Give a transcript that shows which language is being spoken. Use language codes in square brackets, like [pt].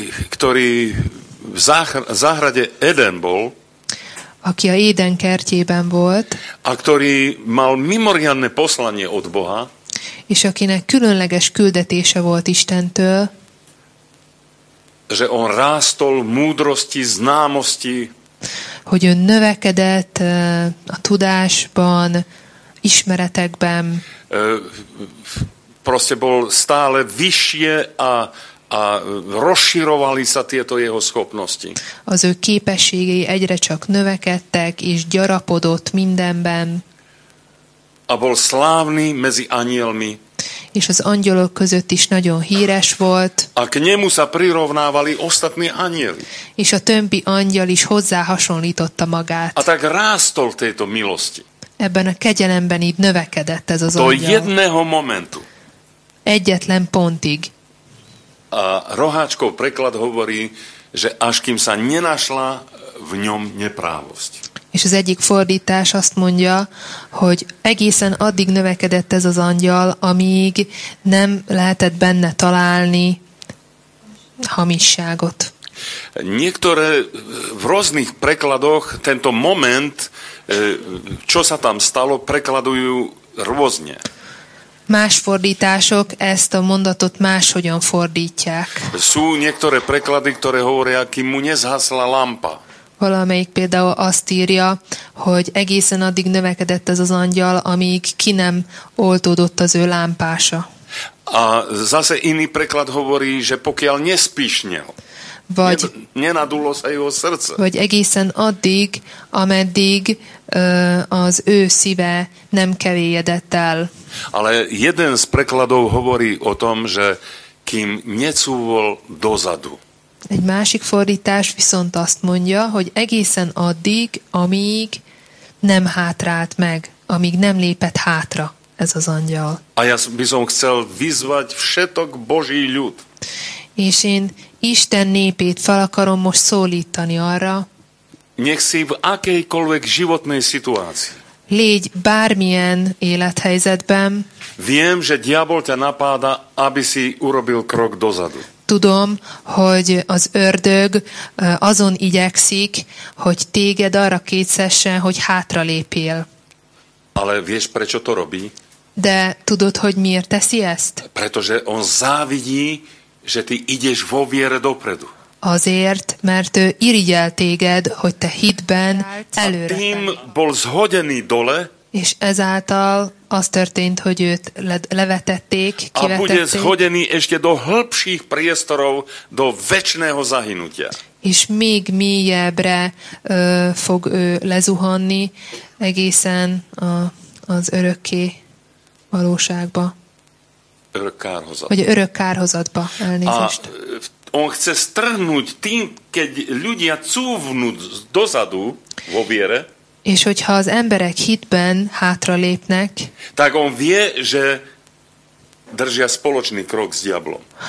[sk] ktorý v záhrade Eden bol, [hu] aki a Éden kertjében volt, [sk] a ktorý mal mimoriadne poslanie od Boha, [hu] és akinek különleges küldetése volt Istentől, [sk] že on rástol múdrosti, známosti, [hu] hogy ő növekedett a tudásban, ismeretekben, [sk] proste bol stále vyššie a rozširovali sa tieto jeho schopnosti. [hu] Az ő képességei egyre csak növekedtek és gyarapodott mindenben. [sk] A bol slávny medzi anielmi. [hu] És az angyalok között is nagyon híres volt. [sk] A k nemu sa prirovnávali ostatní anieli. [hu] És a többi angyal is hozzá hasonlította magát. [sk] A tak rástol tejto milosti. [hu] Ebben a kegyelemben így növekedett ez az do angyal. [sk] Do jedného momentu. [hu] Egyetlen pontig. [sk] A Roháčkov preklad hovorí, že až kým sa nenašla v ňom neprávosť. [hu] És az egyik fordítás azt mondja, hogy egészen addig növekedett ez az angyal, amíg nem lehetett benne találni hamisságot. [sk] Niektoré v rôznych prekladoch tento moment, čo sa tam stalo, prekladujú rôzne. [hu] Más fordítások ezt a mondatot máshogyan fordítják. [sk] Sú niektoré preklady, ktoré hovoria, kým mu nezhasla lampa. [hu] Valamelyik például azt írja, hogy egészen addig növekedett ez az angyal, amíg ki nem oltódott az ő lámpása. [sk] A zase iný preklad hovorí, že pokiaľ nespíšnel. [hu] Vagy, [sk] nenadulo sa jeho srdce. [hu] Vagy egészen addig, ameddig az ő szíve nem kevélyedett el. [sk] Ale jeden z prekladov hovorí o tom, že kým necúvol dozadu. [hu] Egy másik fordítás viszont azt mondja, hogy egészen addig, amíg nem hátrált meg, amíg nem lépett hátra ez az angyal. [sk] A ja by som chcel vyzvať všetok Boží ľud. [hu] És én Isten népét fel akarom most szólítani arra. [sk] Nech si v akejkoľvek životnej situácii. [hu] Légy bármilyen élethelyzetben. [sk] Viem, že diabol ťa napáda, aby si urobil krok dozadu. [hu] Tudom, hogy az ördög azon igyekszik, hogy téged arra kétszessen, hogy hátralépél. [sk] Ale vieš, prečo to robí? [hu] De tudod, hogy miért teszi ezt? [sk] Pretože on závidí, že ty ideš vo viere dopredu. [hu] Azért, mert ő irigyel téged, hogy te hitben előre. [sk] A tým bol zhodený dole. [hu] És ezáltal az történt, hogy őt levetették, kivetették. [sk] A bude zhodený ešte do hĺbších priestorov, do večného zahynutia. [hu] És még mélyebbre fog ő lezuhanni egészen az örökké valóságba. Örök kárhozatba. Vagy örök kárhozatba, elnézést. [sk] On chce strhnúť tým, keď ľudia cúvnú dozadu vo viere. [hu] És hogyha az emberek hitben hátralépnek, [sk] tak on vie, že držia spoločný krok s diablom.